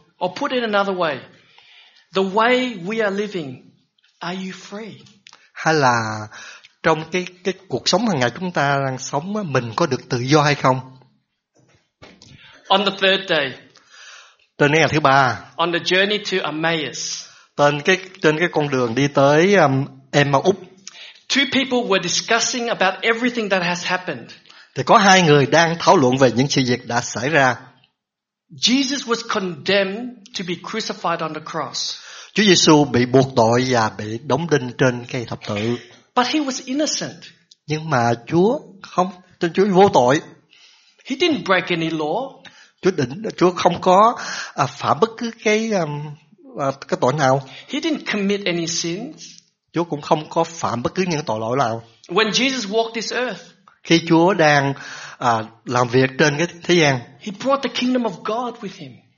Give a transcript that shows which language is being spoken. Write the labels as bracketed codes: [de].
[en] Or put it another way, the way we are living, are you free? [vi] Hay là trong cái cuộc sống hàng ngày chúng ta đang sống, mình có được tự do hay không? [en] On the third day, [vi] trên ngày thứ ba, [en] on the journey to Emmaus, [vi] trên cái con đường đi tới Emmaus, [en] two people were discussing about everything that has happened. [vi] Thì có hai người đang thảo luận về những sự việc đã xảy ra. [en] Jesus was condemned to be crucified on the cross. [vi] Chúa Giêsu bị buộc tội và bị đóng đinh trên cây thập tự. [en] But he was innocent. [vi] Nhưng mà Chúa không, trên Chúa vô tội. [en] He didn't break any law. [vi] Chúa không có phạm bất cứ cái tội nào. [en] He didn't commit any sins. [vi] Chúa cũng không có phạm bất cứ những tội lỗi nào. [en] When Jesus walked this earth, [vi] khi Chúa đang làm việc trên cái thế gian, [en] he brought the kingdom of God with him.